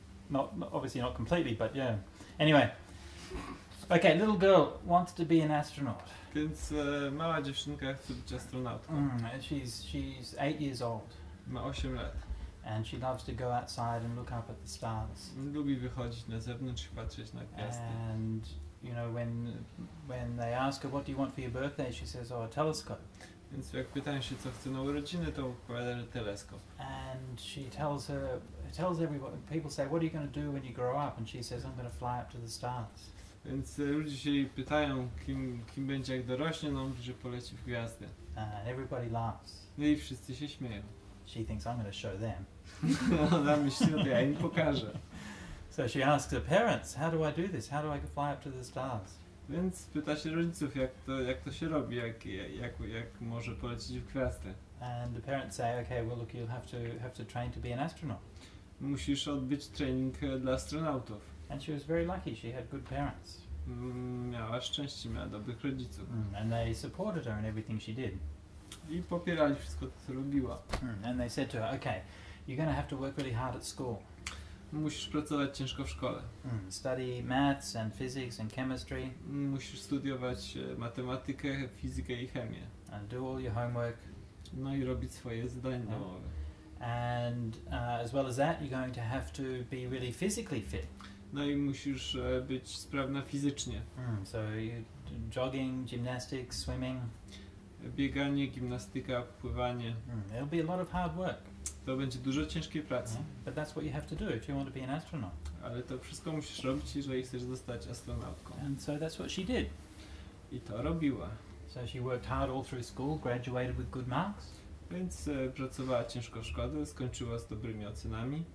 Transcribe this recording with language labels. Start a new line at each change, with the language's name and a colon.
English: Not completely, but yeah. Anyway, okay, little girl wants to be an astronaut.
Polish: Więc mała dziewczynka chce być astronautką.
English: She's 8 years old.
Polish: Ma 8 lat.
English: And she loves to go outside and look up at the stars.
Polish: Lubi wychodzić na zewnątrz i patrzeć na gwiazdy.
English: And you know, when they ask her, what do you want for your birthday, she says, oh, a telescope.
Polish: Więc jak pytają się, co chce na urodziny, to odpowiada, że teleskop.
English: And she tells everyone, people say, what are you going to do when you grow up? And she says, I'm going to fly up to the stars.
Polish: Więc ludzie się pytają, kim będzie, jak dorośnie, no mówi, że poleci w gwiazdy.
English: And everybody laughs.
Polish: No i wszyscy się śmieją.
English: She thinks, I'm going to show them.
Polish: Ona myśli, no to ja im pokażę.
English: So she asks her parents, how do I do this? How do I fly up to the stars?
Polish: Więc pyta się rodziców, jak to się robi, jak może polecieć w gwiazdy.
English: And the parents say, okay, well look, you'll have to train to be an astronaut.
Polish: Musisz odbyć trening dla astronautów.
English: And she was very lucky, she had good parents.
Polish: Miała szczęście, miała dobrych rodziców.
English: And they supported her in everything she did.
Polish: I popierali wszystko, co robiła.
English: And they said to her, okay, you're going to have to work really hard at school.
Polish: Musisz pracować ciężko w szkole.
English: Study maths and physics and chemistry.
Polish: Musisz studiować matematykę, fizykę i chemię.
English: And do all your homework.
Polish: No i robić swoje zadania domowe.
English: And as well as that, you're going to have to be really physically fit.
Polish: No i musisz być sprawna fizycznie.
English: So jogging, gymnastics, swimming.
Polish: Bieganie, gimnastyka, pływanie.
English: It'll be a lot of hard work.
Polish: To będzie dużo ciężkiej pracy.
English: Yeah, but that's what you have to do if you want to be an astronaut.
Polish: Ale to wszystko musisz robić, jeżeli chcesz zostać astronautką.
English: And so that's what she did.
Polish: I to robiła.
English: So she worked hard all through school, graduated with good marks.
Polish: Więc pracowała ciężko w szkole, skończyła z dobrymi ocenami.